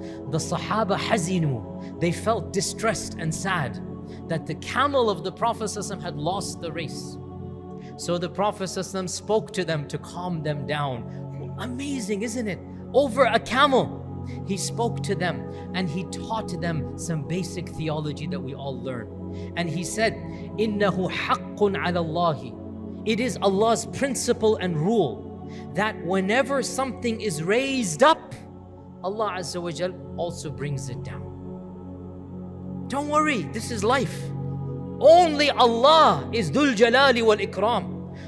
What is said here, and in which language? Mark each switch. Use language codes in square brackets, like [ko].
[en] The Sahaba hazinu. They felt distressed and sad that the camel of the Prophet had lost the race. So the Prophet spoke to them to calm them down. Amazing, isn't it? Over a camel. He spoke to them and he taught them some basic theology that we all learn. And he said, [ar] إِنَّهُ حَقٌ عَلَى اللَّهِ. [en] It is Allah's principle and rule that whenever something is raised up, Allah Azza wa Jal also brings it down. Don't worry, this is life. Only Allah is Dhul Jalali wal Ikram.